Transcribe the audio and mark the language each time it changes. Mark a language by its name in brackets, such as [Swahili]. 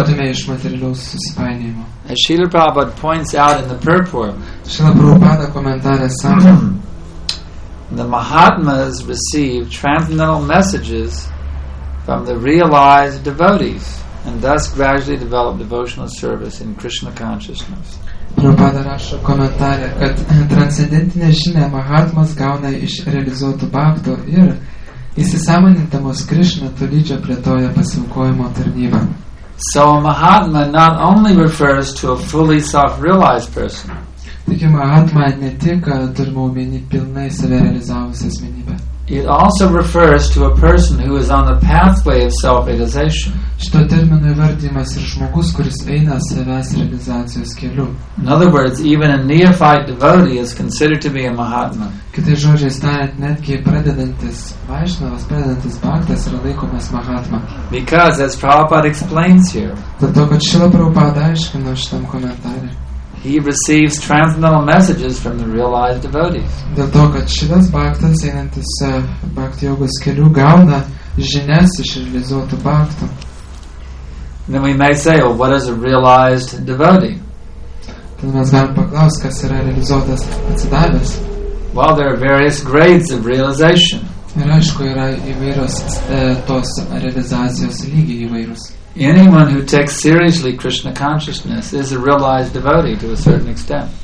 [English] As Srila Prabhupada points out in the purport, the Mahatmas receive transcendental messages from the realized devotees and thus gradually develop devotional service in Krishna consciousness. [Lithuanian] Prabhupada rašo komentarė, kad transcendentinė žinia Mahatmas gauna iš realizuotų bhaktų ir įsisamonintamos Krishna tolydžio plėtoja pasiaukojimo tarnybą. [English] So a Mahatma not only refers to a fully self-realized person, [Lithuanian] taigi Mahatma ne tik turime omeny pilnai save realizavusią asmenybę. [English] It also refers to a person who is on the pathway of self-realization. [Lithuanian] Šito termino įvardymas ir žmogus, kuris eina savęs realizacijos keliu. [English] In other words, even a neophyte devotee is considered to be a Mahatma. [Lithuanian] Kitais žodžiais tariant, netgi pradedantis Vaishnavas, pradedantis bhaktas yra laikomas Mahatma. [English] Because, as Prabhupada explains here, [Lithuanian] dėl to, kad Šila Prabhupada aiškino šitam komentarė, [English] he receives transcendental messages from the realized devotees. [Lithuanian] Dėl to, kad šitas bhaktas, einantis bhakti jogos keliu, gauna žinias iš realizuotų bhaktų. [English] Then we may say, well, what is a realized devotee? [Lithuanian] Tad mes galim paklausti, kas yra realizuotas atsidavęs. [English] Well, there are various grades of realization. [Lithuanian] Ir aišku, yra įvairios tos realizacijos lygiai įvairūs. [English] Anyone who takes seriously Krishna consciousness is a realized devotee to a certain extent.